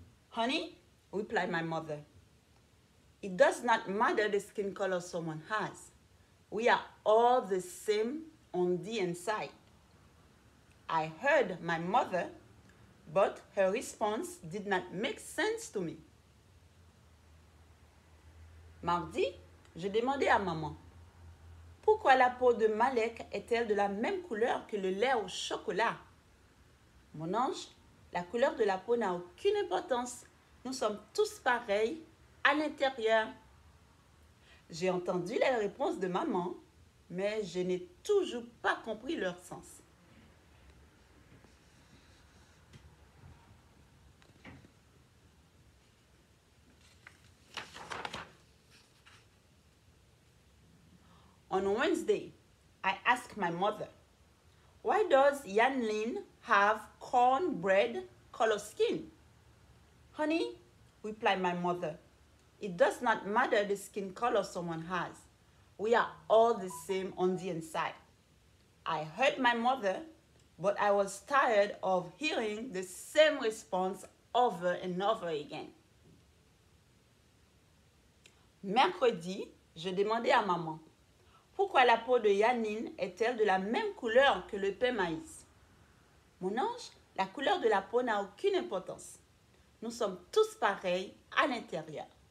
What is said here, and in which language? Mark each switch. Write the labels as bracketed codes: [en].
[en] Honey, replied my mother, it does not matter the skin color someone has. We are all the same on the inside. I heard my mother, but her response did not make sense to me. [fr] Mardi, je demandais à maman, pourquoi la peau de Malek est-elle de la même couleur que le lait au chocolat? Mon ange, la couleur de la peau n'a aucune importance. Nous sommes tous pareils à l'intérieur. J'ai entendu les réponses de maman, mais je n'ai toujours pas compris leur sens. [en] On Wednesday, I ask my mother, why does Yan Lin have cornbread color skin? Honey, replied my mother, it does not matter the skin color someone has. We are all the same on the inside. I heard my mother, but I was tired of hearing the same response over and over again. [fr] Mercredi, je demandais à maman, pourquoi la peau de Yanine est-elle de la même couleur que le pain maïs? Mon ange, la couleur de la peau n'a aucune importance. Nous sommes tous pareils à l'intérieur.